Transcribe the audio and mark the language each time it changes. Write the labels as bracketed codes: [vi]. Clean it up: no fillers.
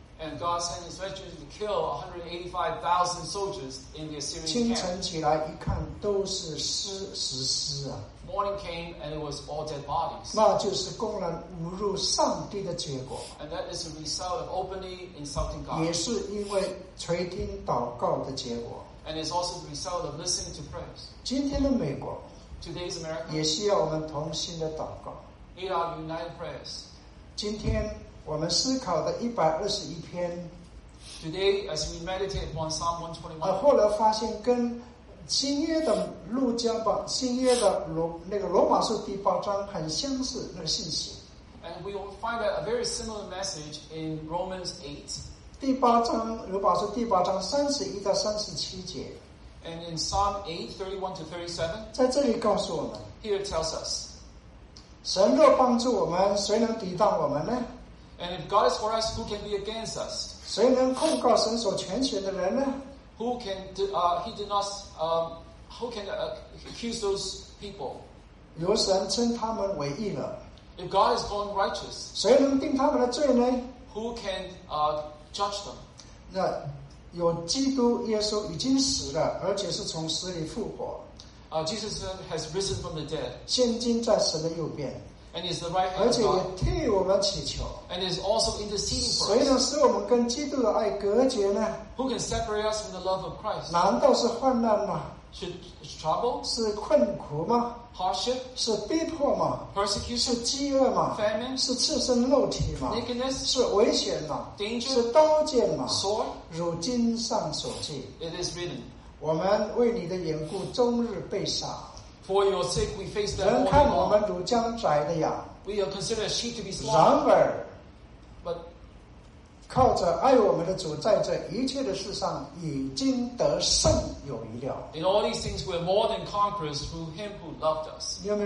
[en] And God sent his messengers to kill 185,000 soldiers in the Assyrian camp. [zh] 清晨起来一看都是尸尸尸啊。 [en] Morning came and it was all dead bodies. [zh] 那就是公然侮辱上帝的结果. [en] And that is a result of openly insulting God. [zh] 也是因为垂听祷告的结果. [en] And it's also the result of listening to prayers. [zh] 今天的美国, [en] today's America, [zh] 也需要我们同心的祷告. [en] Need our united prayers. [zh] 今天我们思考的121篇, [en] today as we meditate upon Psalm 121, [zh] 后来发现跟 新约的路加巴,新约的罗马书第八章很相似那个信息。 [en] And we will find a very similar message in Romans 8. [zh] 第八章,罗马书第八章31到37节。 [en] And in Psalm 8:31-37, [zh] 在这里告诉我们, [en] here it tells us, [zh] 神若帮助我们,谁能抵挡我们呢? [en] And if God is for us, who can be against us? [zh] 谁能控告神所全权的人呢? [en] Who can accuse those people? [zh] 有神称他们为义了, [en] if God is born righteous, [zh] 谁能定他们的罪呢? [en] Who can judge them? [zh] 那有基督耶稣已经死了,而且是从死里复活, [en] Jesus has risen from the dead. [zh] 现今在神的右边, [en] and is the right hand of God. [zh] 而且也替我们祈求, [en] and is also interceding for us. [zh] 谁能使我们跟基督的爱隔绝呢? [en] Who can separate us from the love of Christ? [zh] 难道是患难吗? [en] Is trouble? [zh] 是困苦吗? [en] Hardship? [zh] 是逼迫吗? [en] Persecution? [zh] 是饥饿吗? [en] Famine? [zh] 是赤身肉体吗? [en] Nakedness? [zh] 是危险吗? [en] Danger? [zh] 是刀剑吗? [en] Sword? [zh] 如今上所记, [en] it is written, [zh] 我们为你的缘故终日被杀, [en] for your sake we face death all the long. We are considered a sheep to be slaughtered. [zh] 靠着爱我们的主在这一切的事上已经得胜有余了. [en] In all these things we are more than conquerors through him who loved us.